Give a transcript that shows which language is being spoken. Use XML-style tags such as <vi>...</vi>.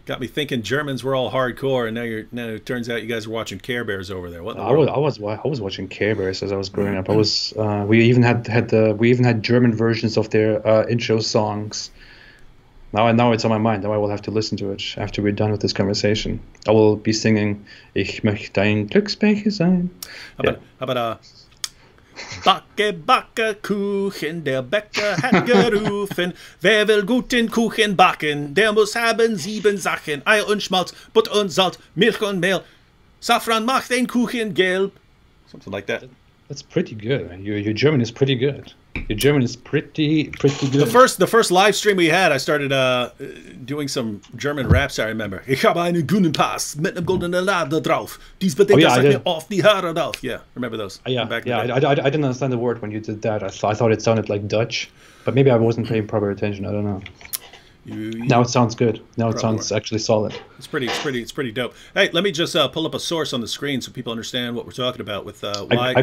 <en>got me thinking Germans were all hardcore, and now it turns out you guys are watching Care Bears over there. I was watching Care Bears as I was growing up. I was we even had German versions of their intro songs. Now it's on my mind. Now I will have to listen to it after we're done with this conversation. I will be singing</en> <de>Ich möchte dein Glücksbecher sein.</de> <en>How about</en> <de>Backe, backe Kuchen, der Bäcker hat gerufen. Wer will guten Kuchen backen, der muss haben sieben Sachen. Ei und Schmalz, Butter und Salz, Milch und Mehl. Safran macht den Kuchen gelb.</de> <en>Something like that. That's pretty good, man. Your German is pretty good. Your German is pretty, pretty good. The first live stream we had, I started doing some German raps, I remember.</en> <de>Ich habe einen guten Pass mit einem goldenen Lader drauf. Dies bitte das mir auf die Haare drauf.</de> <en>Yeah, remember those? I didn't understand the word when you did that. I thought it sounded like Dutch, but maybe I wasn't paying proper attention. I don't know. Now it sounds good. Now it sounds actually solid. It's pretty dope. Hey, let me just pull up a source on the screen so people understand what we're talking about with why.</en>